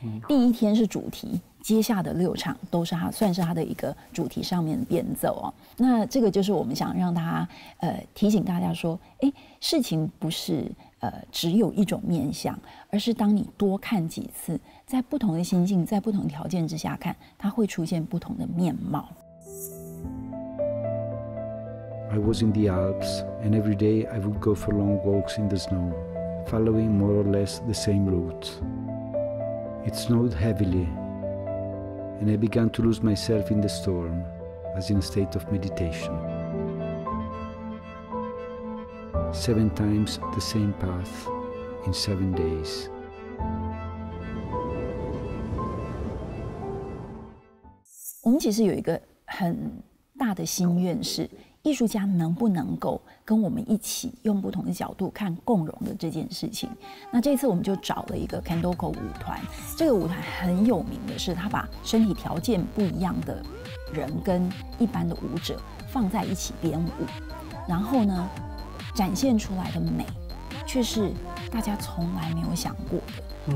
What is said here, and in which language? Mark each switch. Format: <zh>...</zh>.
<zh>第一天是主题，接下的6场都是他算是他的一个主题上面的变奏哦。那这个就是我们想让他提醒大家说，哎，事情不是只有一种面向，而是当你多看几次，在不同的心境，在不同条件之下看，它会出现不同的面貌。</zh> <en>I was in the Alps, and every day I would go for long walks in the snow, following more or less the same route. It snowed heavily, and I began to lose myself in the storm, as in a state of meditation. 7 times the same path in 7 days.</en> <zh>我们其实有一个很大的心愿，是艺术家能不能够跟我们一起用不同的角度看共融的这件事情。那这次我们就找了一个 Candoco 舞团，这个舞团很有名的是他把身体条件不一样的人跟一般的舞者放在一起编舞，然后呢展现出来的美却是大家从来没有想过的。</zh>